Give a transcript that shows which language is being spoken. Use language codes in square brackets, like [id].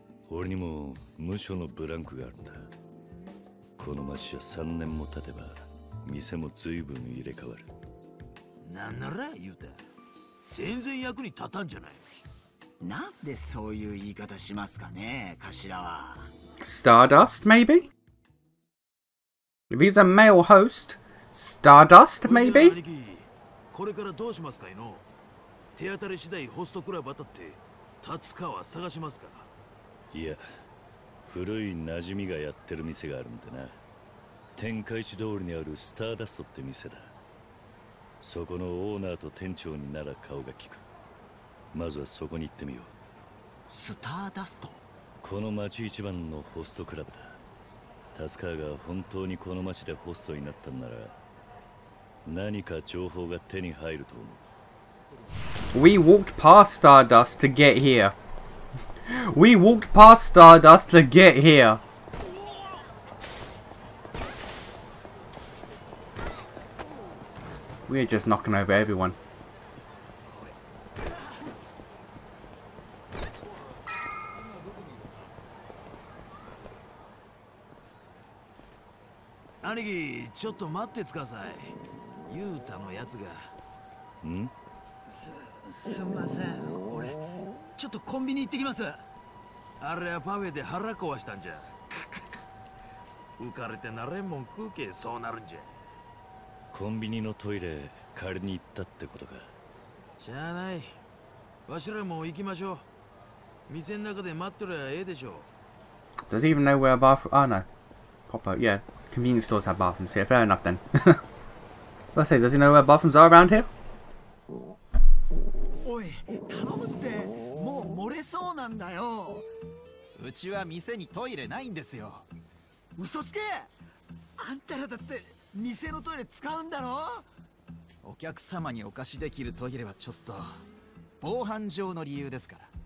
[ja] 俺にも無所のブランクがあるんだ。この町は3年も経てば店も随分入れ替わる。なんなら、ユータ全然役に立たんじゃない。なんでそういう言い方しますかね、頭は。 [en] Stardust, maybe? If he's a male host, Stardust, maybe? [ja] これからどうしますかいの。手当たり次第ホストクラブ当たって達川探しますか。いや、古い馴染みがやってる店があるんでな。天下一通りにあるスターダストって店だ。そこのオーナーと店長になら顔が利く。まずはそこに行ってみよう。スターダスト、この町一番のホストクラブだ。タスカーが本当にこの町でホストになったんなら、何か情報が手に入ると思う。 [en] We walked past Stardust to get here. We walked past Stardust to get here. We are just knocking over everyone. [ja] 兄貴、ちょっと待ってください。ユータのやつが。ん？すんません、俺、ちょっとコンビニ行ってきます。あれはパフェで腹壊したんじゃ。浮かれてなれんもん食うけ、そうなるんじゃ。コンビニのトイレ、借りに行ったってことか。しゃあない。わしらも行きましょう。店の中で待ってりゃええでしょう。 [en] Does he even know where a bathroom? Oh no. Pop out. Yeah. Convenience stores have bathrooms here. Fair enough then. Let's say, does he know where bathrooms are around here? [ja] Oi, 頼むって、もう漏れそうなんだよ。うちは店にトイレないんですよ。嘘つけ。あんたらだって店のトイレ使うんだろ。お客様にお貸しできるトイレはちょっと防犯上の理由ですから。